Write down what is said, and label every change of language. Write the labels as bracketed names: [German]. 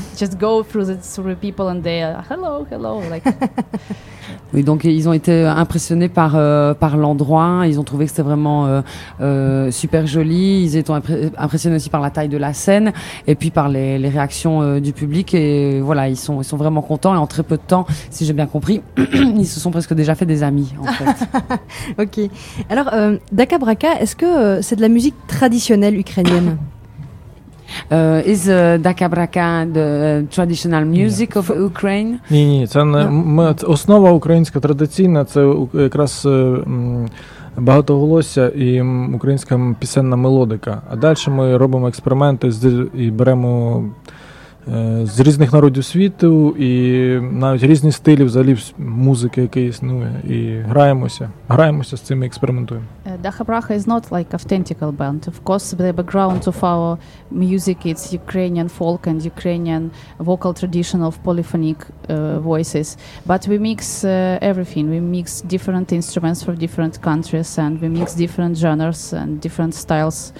[English] Just go through the three people and they are hello like. [French] Oui, donc ils ont été impressionnés par l'endroit, ils ont trouvé que c'était vraiment super joli, ils étaient impressionnés aussi par la taille de la scène et puis par les réactions du public, et voilà, ils sont vraiment contents, et en très peu de temps, si j'ai bien compris, ils se sont presque déjà fait des amis en fait. Ok. Alors, Daka Braka, est-ce que c'est de la musique traditionnelle ukrainienne? [English] Is Daka Braka the traditional music of Ukraine? [Ukrainian] Ні, це не основа українська традиційна, це якраз багатоголосся і українська пісенна мелодика. А далі ми робимо експерименти і беремо з різних народів світу і навіть різні стилі взагалі музики, яке існує, і граємося з цим і експериментуємо. [English] Daka Braka is not like authentic band. Of course, the background of our music is Ukrainian folk and Ukrainian vocal tradition of polyphonic voices. But we mix everything. We mix different instruments from different countries and we mix different genres and different styles.